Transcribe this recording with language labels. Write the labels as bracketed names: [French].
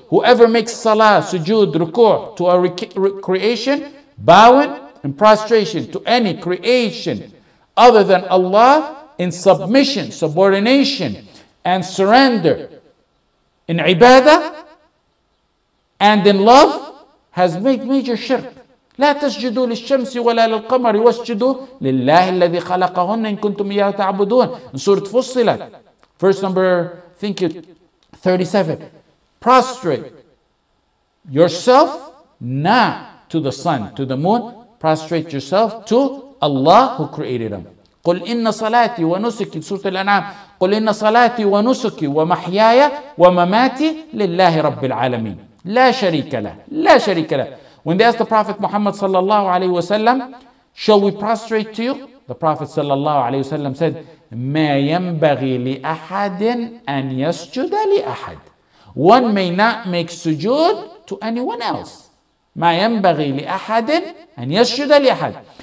[English] Whoever makes salah, sujood, ruku' to a creation, bowing and prostration to any creation other than Allah in submission, subordination, and surrender in ibadah and in love, has made major shirk. [Arabic] لا تسجدوا للشمس ولا للقمر واسجدوا لله الذي خلقهن إن كنتم إياه تعبدون. [English] In Surah Fussilat, verse number, I think it 37. Prostrate yourself not to the sun, to the moon. Prostrate yourself to Allah who created them. [Arabic] قل إن صلاتي ونسكي سورة الأنعام قل إن صلاتي ونسكي ومحياي ومماتي لله رب العالمين لا شريك له لا شريك له. [English] When they asked the Prophet Muhammad sallallahu alaihi wasallam, shall we prostrate to you? The Prophet sallallahu alaihi wasallam said, [Arabic] ما ينبغي لأحد أن يسجد لأحد. [English] One may not make sujood to anyone else. [Arabic] ما ينبغي لأحد أن يسجد لأحد.